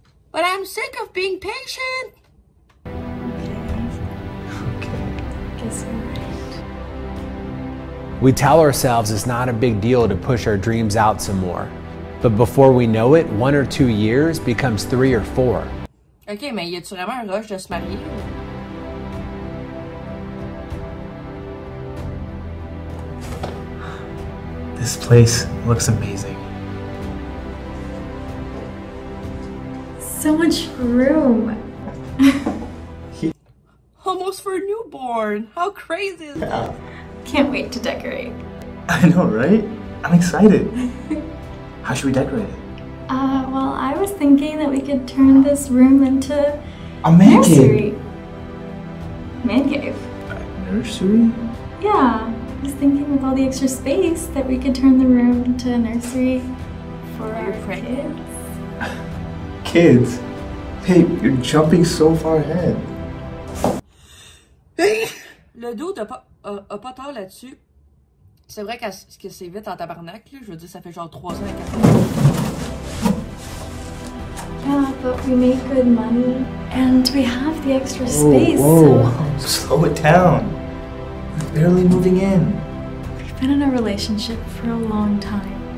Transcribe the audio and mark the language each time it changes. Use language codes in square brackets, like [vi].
[en] But I'm sick of being patient! Okay. Guess I'm right. We tell ourselves it's not a big deal to push our dreams out some more. But before we know it, 1 or 2 years becomes 3 or 4. [fr] OK, mais y a-tu vraiment un rush de se marier? [en] This place looks amazing. So much room. Almost for a newborn. How crazy is that? Yeah. Can't wait to decorate. I know, right? I'm excited. How should we decorate it? Well, I was thinking that we could turn this room into a man nursery. Man cave. A nursery? Yeah. I was thinking with all the extra space that we could turn the room into a nursery for our kids. Kids? Hey, you're jumping so far ahead. [fr] Hey! Le dos a pas tort là-dessus. C'est vrai que c'est vite en tabarnak, là. Je veux dire, ça fait genre 3 ans et 4 ans. [en] Yeah, but we make good money and we have the extra space. Whoa. So slow it down. We're barely moving in. We've been in a relationship for a long time.